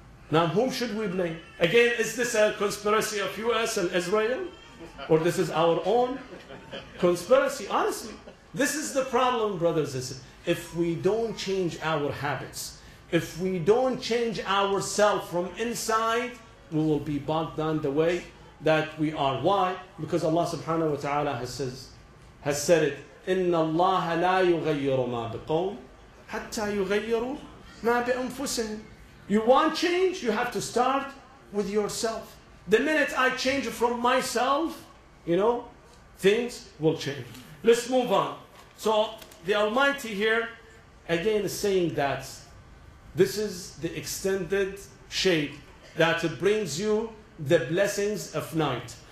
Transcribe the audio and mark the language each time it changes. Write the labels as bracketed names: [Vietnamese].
[English] Now, whom should we blame? Again, is this a conspiracy of US and Israel? Or this is our own conspiracy? Honestly, this is the problem, brothers and sisters. If we don't change our habits, if we don't change ourselves from inside, we will be bogged down the way that we are. Why? Because Allah subhanahu wa ta'ala has said it, [Arabic] إِنَّ اللَّهَ لَا يُغَيِّرُ مَا بِقَوْمٍ حَتَّى يُغَيِّرُوا مَا بِأَنفُسِهِمْ. [English] You want change? You have to start with yourself. The minute I change from myself, you know, things will change. Let's move on. So the Almighty here, again, is saying that this is the extended shade that brings you the blessings of night.